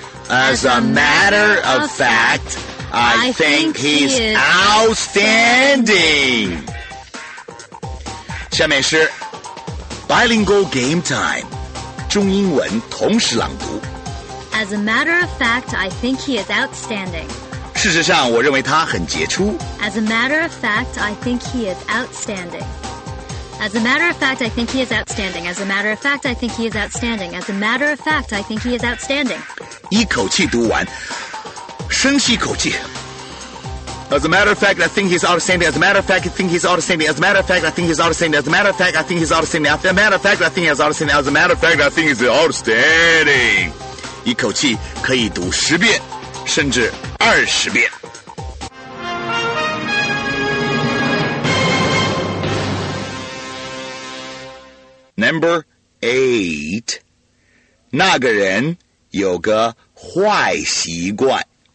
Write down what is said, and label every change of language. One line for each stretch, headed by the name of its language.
English: As a matter of fact, I think he's outstanding.
Chinese: 下面是
English: Bilingual Game Time,
Chinese: 中英文同时朗读。
English: As a matter of fact, I think he is outstanding.
Chinese: 事实上，我认为他很杰出。
English: As a matter of fact, I think he is outstanding. As a matter of fact, I think he is outstanding. As a matter of fact, I think he is outstanding. As a matter of fact, I think he is outstanding.
Chinese: 一口气读完，深吸一口气。
English: As a matter of fact, I think he's outstanding. As a matter of fact, I think he's outstanding. As a matter of fact, I think he's outstanding. As a matter of fact, I think he's outstanding. As a matter of fact, I think he's outstanding. As a matter of fact, I think he's outstanding.
Chinese: 一口气可以读十遍，甚至二十遍。
English: Number 8.
Chinese: 那个人有个坏习惯。